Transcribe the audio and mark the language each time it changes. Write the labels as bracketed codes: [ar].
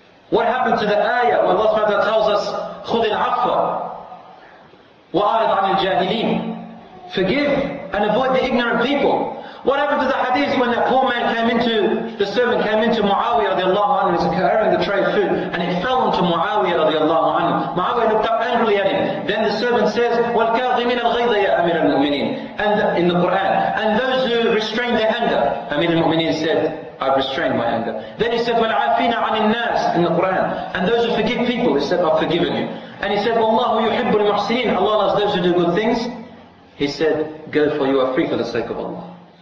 [en] What happened to the ayah where Allah SWT tells us, [ar] خُذِ الْعَفْوَ وَأَعْرِضْ عَنِ الْجَاهِلِينَ. [en] Forgive and avoid the ignorant people. What happened to the hadith when that poor man came into, the servant came into Muawiyah radiallahu anhu, he was carrying the tray of food, and it fell onto Muawiyah radiallahu anhu. Muawiyah looked up angrily at him. Then the servant says, [ar] وَالْكَاظِمِينَ الْغَيْضَ يَا أَمِيرَ الْمُؤْمِنِينَ. [en] And in the Qur'an, and those who restrain their anger, Amir al-Mu'mineen said, I've restrained my anger. Then he said, [ar] وَالْعَافِينَ عَنِ النَّاسِ [en] in the Qur'an. And those who forgive people, he said, I've forgiven you. And he said, [ar] وَاللَّهُ يُحِبُّ الْمُحْسِنِينَ. [en] Allah loves those who do good things. He said, go for you are free for the sake of Allah.